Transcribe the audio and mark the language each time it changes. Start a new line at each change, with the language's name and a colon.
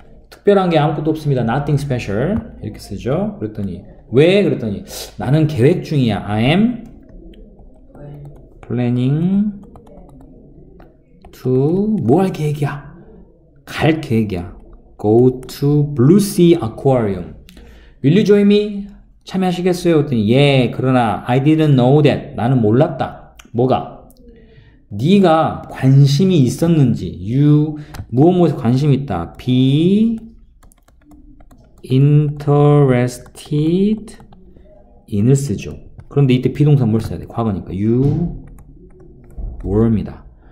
Korean: 특별한 게 아무것도 없습니다.
English: Nothing special.
Korean: 이렇게 쓰죠. 그랬더니, 왜? 그랬더니, 나는 계획 중이야.
English: I am planning to,
Korean: 뭐 할 계획이야? 갈 계획이야.
English: Go to Blue Sea Aquarium. Will you join me?
Korean: 참여하시겠어요? 그랬더니, 예, 그러나,
English: I didn't know that.
Korean: 나는 몰랐다. 뭐가? 네가 관심이 있었는지, you 무엇 무엇에 관심 있다,
English: be interested in
Korean: 을 쓰죠. 그런데 이때 비동사 뭘 써야 돼? 과거니까
English: you were
Korean: 입니다.